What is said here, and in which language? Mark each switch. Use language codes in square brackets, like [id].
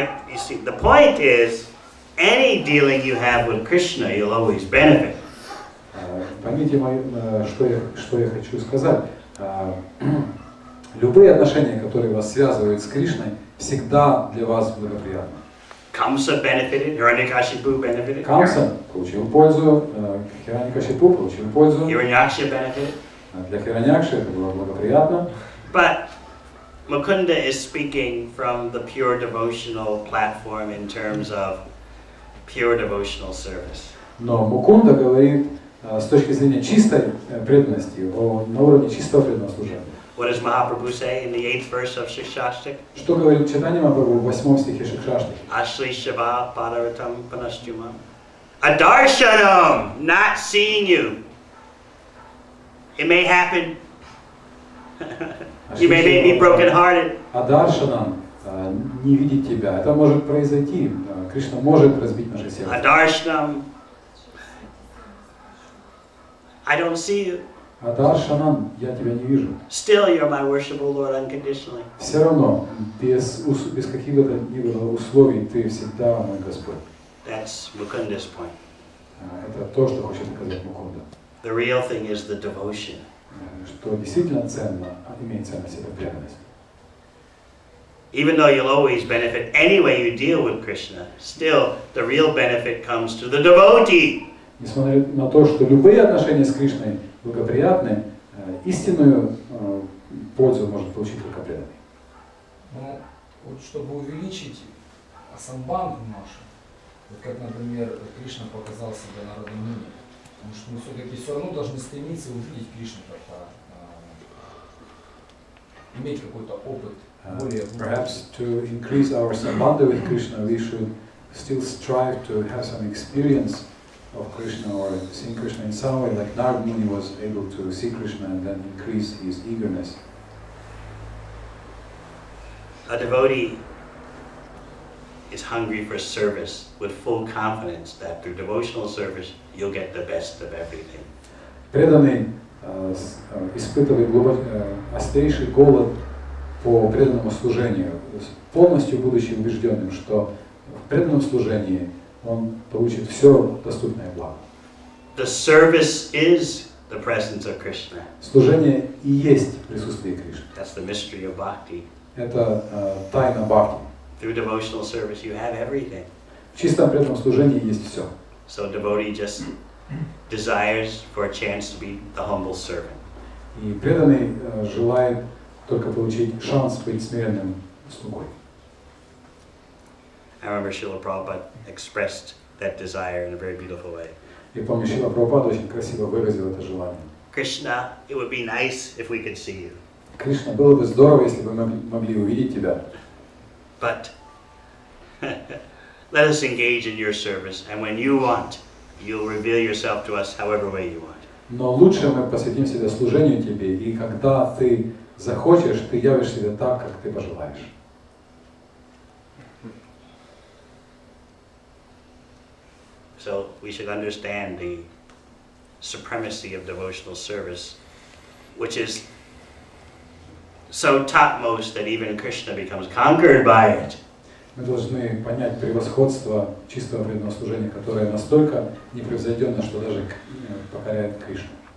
[en] You see, the point is, any dealing you have with Krishna, you'll always benefit. [ru] Поймите, что я хочу сказать. Любые отношения, которые вас связывают с Кришной, всегда для вас благоприятны. [en] Камса benefited, Хираньякашипу benefited. [ru] Камса получил пользу, Хираньякашипу получил пользу. [en] Хираньякша benefited. [ru] Для Хираньякши это было благоприятно. [en] But Mukunda is speaking from the pure devotional platform in terms of pure devotional service. [ru] Но Мукунда говорит с точки зрения чистой преданности, на уровне чистого преданного служения. [en] What does Mahaprabhu say in the 8th verse of Шикшаштик? [ru] Что говорит Чайтанья Махапрабху в 8 стихе Шикшаштик? [sa] Ашли шива падаратам панаштюмам. [en] Adarshanam, not seeing you. It may happen. You may be broken-hearted. [ru] Adarshanam, не видеть тебя. Это может произойти. Кришна может разбить наше сердце. [en] Adarshanam, I don't see you. [ru] Adarshanam, я тебя не вижу. [en] Still, you're my worshipable Lord unconditionally. [ru] Все равно без каких-то условий ты всегда мой Господь. [en] That's Mukunda's point. [ru] Это то, что хочет сказать Мукунда. [en] The real thing is the devotion. [ru] Что действительно ценно, имеет ценность это преданность. [en] Even though you'll always benefit any way you deal with Krishna, still the real benefit comes to the devotee. [ru] Несмотря на то, что любые отношения с Кришной благоприятны, истинную пользу может получить только преданный. Ну, вот чтобы увеличить асамбанду нашу, вот как, например, Кришна показал себя народным мнением, потому что мы все-таки все равно должны стремиться увидеть Кришну, как-то иметь какой-то опыт более... [en] Perhaps to increase our sambandha with Krishna, we should still strive to have some experience of Krishna or seeing Krishna in some way, like Narada Muni was able to see Krishna and then increase his eagerness. A devotee is hungry for service with full confidence that through devotional service you'll get the best of everything. [ru] Преданный испытывает острейший голод по преданному служению, полностью будучи убежденным, что в преданном служении он получит все доступное благо. [en] The service is the presence of Krishna. [ru] Служение и есть присутствие Кришны. [en] That's the mystery of bhakti. [ru] Это тайна бхакти. [en] Through devotional service you have everything. [ru] В чистом преданном служении есть все. [en] So devotee just desires for a chance to be the humble servant. [ru] И преданный желает только получить шанс быть смиренным слугой. [en] I remember Srila Prabhupada expressed that desire in a very beautiful way. [ru] Я помню, Шрила Прабхупада очень красиво выразил это желание. [en] Krishna, it would be nice if we could see you. [ru] Кришна, было бы здорово, если бы мы могли увидеть тебя. [en] But let us engage in your service, and when you want, you'll reveal yourself to us however way you want. [ru] Но лучше мы посвятим себя служению тебе, и когда ты захочешь, ты явишь себя так, как ты пожелаешь. [en] So we should understand the supremacy of devotional service, which is so topmost that even Krishna becomes conquered by it. [ru] Мы должны понять превосходство чистого преданного служения, которое настолько непревзойденно, что даже покоряет Кришну.